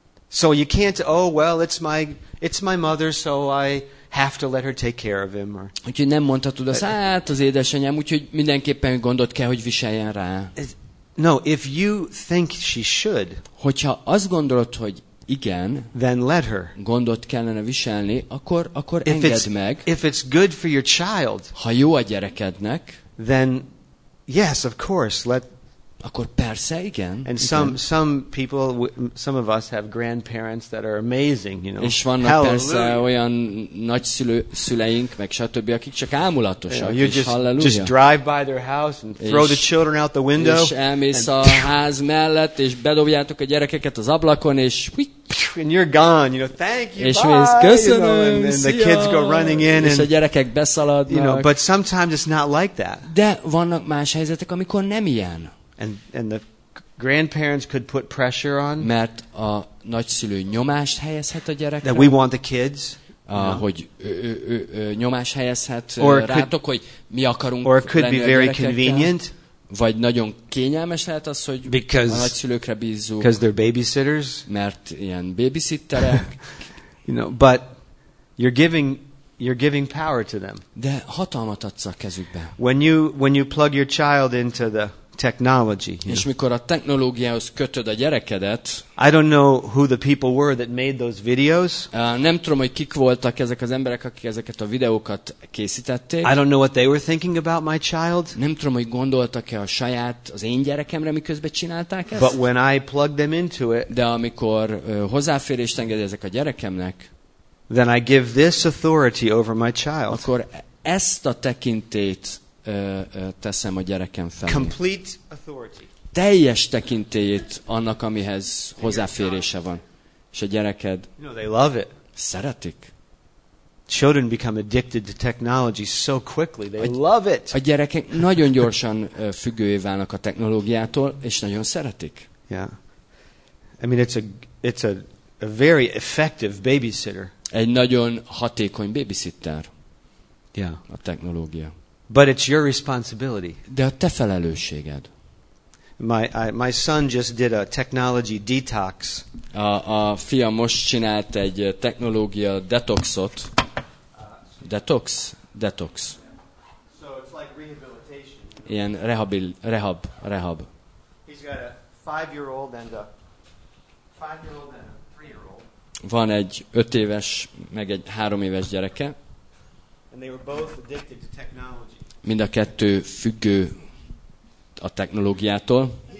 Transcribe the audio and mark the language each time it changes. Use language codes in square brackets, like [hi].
[en] So you can't, oh well, it's my mother, so I have to let her take care of him. [hu] Úgyhogy nem mondhatod azt, hát az édesanyám, úgyhogy mindenképpen gondot kell, hogy viseljen rá. [en] No, if you think she should, [hu] hogyha azt gondolod, hogy igen, [en] then let her. [hu] Gondot kellene viselni, akkor engedd meg. [en] If it's good for your child, [hu] ha jó a gyerekednek, [en] then yes, of course, let. [hu] Akkor persze, igen. [en] And some people, some of us have grandparents that are amazing, you know. [hu] És vannak persze olyan nagyszüleink, meg stb., akik csak ámulatosak, [en] you know, [hu] és halleluja. [en] Just drive by their house and throw the children out the window. [hu] És elmész a ház mellett, és bedobjátok a gyerekeket az ablakon, és [en] and you're gone, you know, thank you, [hu] és [en] bye. [hu] És köszönöm, [en] you know, and the kids go running in. [hu] És a gyerekek beszaladnak. [en] You know, but sometimes it's not like that. [hu] De vannak más helyzetek, amikor nem ilyen. [en] And the grandparents could put pressure on. [hu] Mert a nagyszülő nyomást helyezhet a gyerekre. [en] That we want the kids. [hu] Hogy nyomást helyezhet rátok, hogy mi akarunk lenni. [en] Or it could be very convenient. [hu] Vagy nagyon kényelmes lehet az, hogy [en] because, [hu] a nagyszülőkre bízzuk. [en] Because they're babysitters. [hu] Mert ilyen babysitterek. [en] You know, but you're giving power to them. [hu] De hatalmat adsz a kezükbe. [en] When you plug your child into the technology. [hu] És mikor a technológiához kötöd a gyerekedet? [en] I don't know who the people were that made those videos. [hu] Nem tudom, hogy kik voltak ezek az emberek, akik ezeket a videókat készítették. [en] I don't know what they were thinking about my child. [hu] Nem tudom, hogy gondoltak-e a saját, az én gyerekemre, miközben csinálták ezt. [en] But when I plugged them into it, [hu] de amikor hozzáférést engedi ezek a gyerekemnek, [en] then I give this authority over my child. [hu] Akkor ezt a tekintét teszem a gyerekem felé. [en] Complete authority. [hu] Teljes tekintélyét annak, amihez hozzáférése van. És a gyereked, [en] you know, they love it. [hu] Szeretik. [en] Children become addicted to technology so quickly. They love it. [hu] A gyerekek nagyon gyorsan függővé válnak a technológiától, és nagyon szeretik. [en] Yeah. I mean, it's a very effective babysitter. [hu] Egy nagyon hatékony babysitter. [en] Yeah. [hu] A technológia. [en] But it's your responsibility. [hu] De a te felelősséged. [en] My son just did a technology detox. [hu] A fiam most csinált egy technológia detoxot. [en] Detox? Detox. So it's like rehabilitation. [hu] Ilyen rehab. [en] He's got a 5-year-old and a 5-year-old and a 3-year-old. [hu] Van egy 5 éves, meg egy 3 éves gyereke. [en] And they were both addicted to technology. [hu] Mind a kettő függő a technológiától.